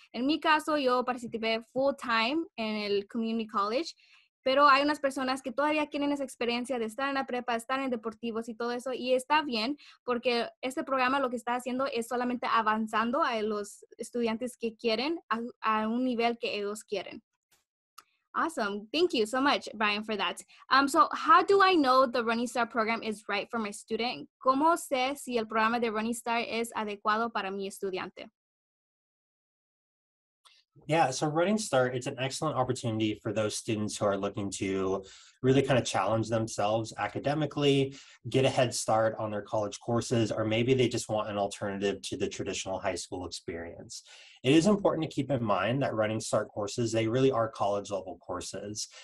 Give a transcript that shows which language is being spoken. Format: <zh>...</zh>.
<es>En mi caso, yo participé full time en el community college, pero hay unas personas que todavía tienen esa experiencia de estar en la prepa, estar en deportivos y todo eso, y está bien, porque este programa lo que está haciendo es solamente avanzando a los estudiantes que quieren a un nivel que ellos quieren.</es> <en>Awesome. Thank you so much, Brian, for that. So how do I know the Running Start program is right for my student?</en> <es>¿Cómo sé si el programa de Running Start es adecuado para mi estudiante?</es> <en>Yeah, so Running Start, it's an excellent opportunity for those students who are looking to really kind of challenge themselves academically, get a head start on their college courses, or maybe they just want an alternative to the traditional high school experience. It is important to keep in mind that Running Start courses, they really are college level courses.</en>